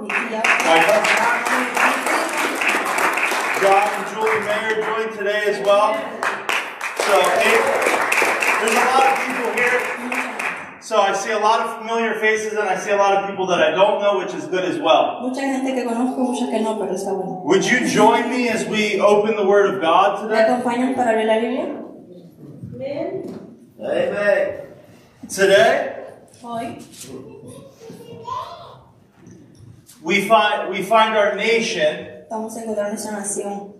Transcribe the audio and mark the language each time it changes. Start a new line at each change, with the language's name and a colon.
Spanish: Mi tía.
English: My cousin Ashley. John and Julie Mayer joined today as well. So, there's a lot of people here. So I see a lot of familiar faces, and I see a lot of people that I don't know, which is good as well.
Spanish: Mucha gente que conozco, mucha que no, pero está bueno.
English: Would you join me as we open the Word of God today?
Spanish: ¿Me acompañan para abrir la Biblia?
English: Amen. Today,
Spanish: hoy,
English: we find our nation.
Spanish: Vamos a encontrar nuestra nación.